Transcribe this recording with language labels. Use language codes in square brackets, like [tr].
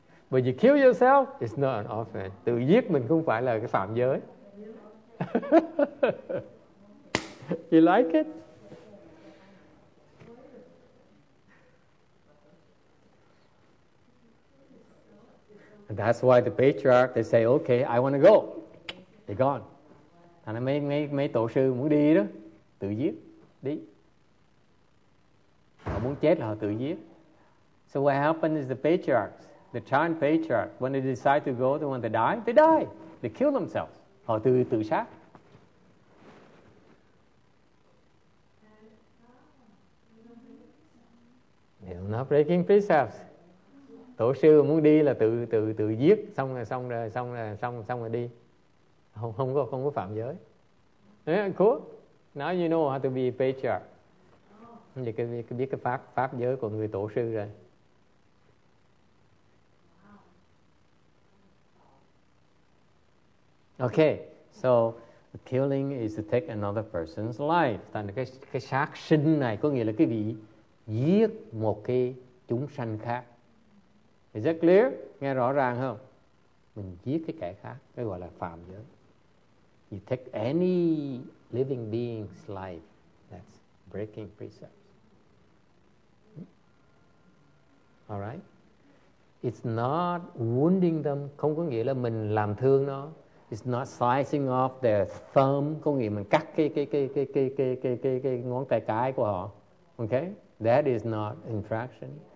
[en] But you kill yourself, it's not an offense. [vi] Tự giết mình không phải là cái phạm giới. [en] You like it? That's why the patriarch, they say, okay, I want to go. They're gone. [vi] Thành mấy tổ sư muốn đi đó, tự giết, đi. Họ muốn chết là họ tự giết. [en] So what happened is the patriarchs, the Chan patriarch, when they decide to go, they want to die, they die. They kill themselves. [vi] Họ tự sát. [en] They're not breaking precepts. [vi] Tổ sư muốn đi là tự giết, xong rồi đi. Không có phạm giới. [en] Yeah, cool. Now you know how to be a patriarch. [vi] Cái biết cái pháp giới của người tổ sư rồi. [en] Okay, so killing is to take another person's life. [vi] Thành cái sát sinh này có nghĩa là cái vị giết một cái chúng sanh khác. [en] Is that clear? [vi] Nghe rõ ràng không? Mình giết cái kẻ khác, cái gọi là phạm giới. [en] You take any living being's life, that's breaking precept. All right. It's not wounding them, [vi] không có nghĩa là mình làm thương nó. [en] It's not slicing off their thumb, [vi] có nghĩa mình cắt cái ngón tay cái của họ. Okay? [en] That is not infraction.